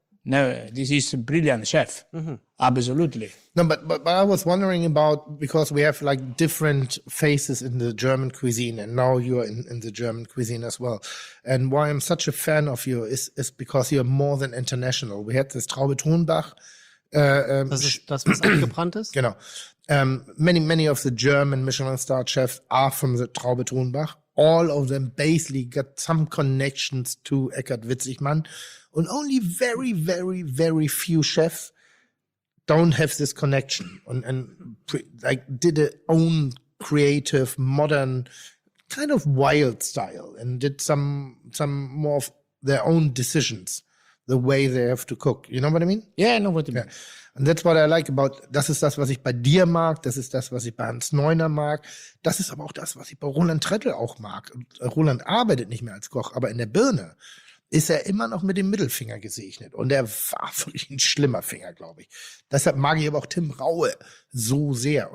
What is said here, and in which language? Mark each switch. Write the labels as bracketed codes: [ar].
[en] No, this is a brilliant chef. Mm-hmm. Absolutely. No, but I was wondering about, because we have like different faces in the German cuisine, and now you're in the German cuisine as well. And why I'm such a fan of you is because you're more than international. We had this Traube Thunbach. [de] Das ist was abgebrannt ist? Genau. [en] Many of the German Michelin star chefs are from the Traube Thunbach. All of them basically got some connections to Eckhard Witzigmann. And only very, very, very few chefs don't have this connection. And did their own creative, modern, kind of wild style, and did some more of their own decisions, the way they have to cook. You know what I mean? Yeah, I know what you mean. And that's what I like about, [de] das ist das, was ich bei dir mag, das ist das, was ich bei Hans Neuner mag, das ist aber auch das, was ich bei Roland Trettl auch mag. Roland arbeitet nicht mehr als Koch, aber in der Birne ist er immer noch mit dem Mittelfinger gesegnet. Und er war wirklich ein schlimmer Finger, glaube ich. Deshalb mag ich aber auch Tim Raue so sehr.